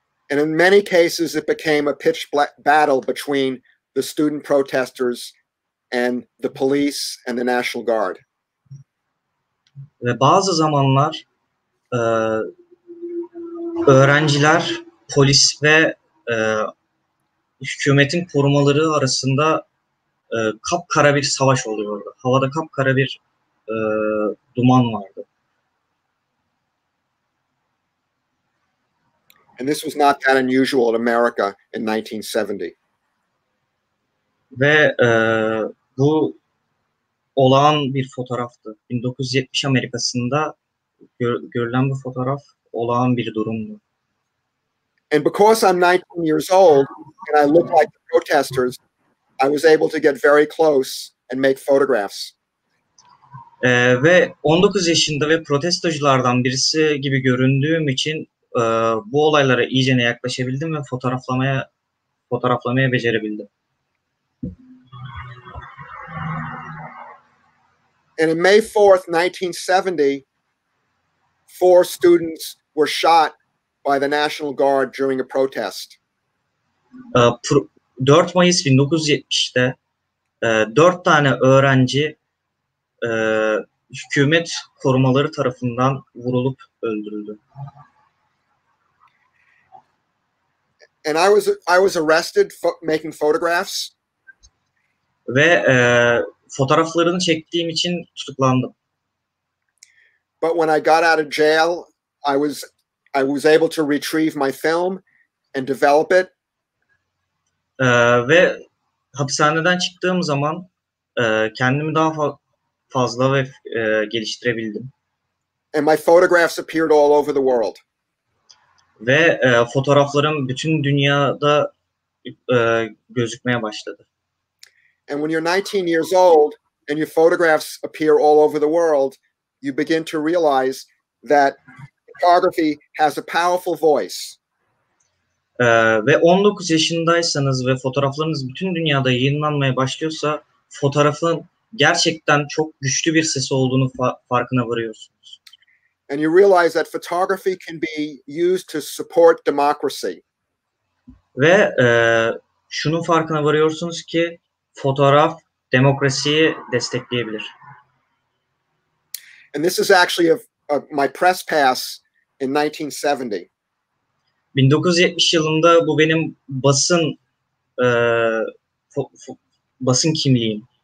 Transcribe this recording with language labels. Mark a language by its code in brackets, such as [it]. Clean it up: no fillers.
[en] And in many cases it became a pitched battle between the student protesters and the police and the National Guard. [tr] Ve bazı zamanlar öğrenciler, polis ve hükümetin korumaları arasında kapkara bir savaş oluyordu. Havada kapkara bir duman vardı. [en] And this was not that unusual in America in 1970. [tr] Ve bu olağan bir fotoğraftı. 1970 Amerikasında görülen bu fotoğraf olağan bir durumdu. [en] And because I'm 19 years old and I look like the protesters, I was able to get very close and make photographs. [tr] Ve 19 yaşında ve protestoculardan birisi gibi göründüğüm için bu olaylara iyicene yaklaşabildim ve fotoğraflamaya becerebildim. [en] And on May 4th, 1970, four students were shot by the National Guard during a protest. [tr] 4 Mayıs 1970'te dört tane öğrenci hükümet korumaları tarafından vurulup öldürüldü. [en] And I was arrested for making photographs. [tr] Ve fotoğraflarını çektiğim için tutuklandım. [en] But when I got out of jail, I was able to retrieve my film and develop it. [tr] Ve hapishaneden çıktığım zaman kendimi daha fazla ve geliştirebildim. [en] And my photographs appeared all over the world. [tr] Ve fotoğraflarım bütün dünyada gözükmeye başladı. [en] And when you're 19 years old and your photographs appear all over the world, you begin to realize that photography has a powerful voice. [tr] Ve 19 yaşındaysanız ve fotoğraflarınız bütün dünyada yayınlanmaya başlıyorsa, fotoğrafın gerçekten çok güçlü bir sesi olduğunu farkına varıyorsunuz. [en] And you realize that photography can be used to support democracy. [tr] Ve şunun farkına varıyorsunuz ki fotoğraf demokrasiyi destekleyebilir. [en] And this is actually my press pass in 1970. [tr] 1970 yılında bu benim basın kimliğim.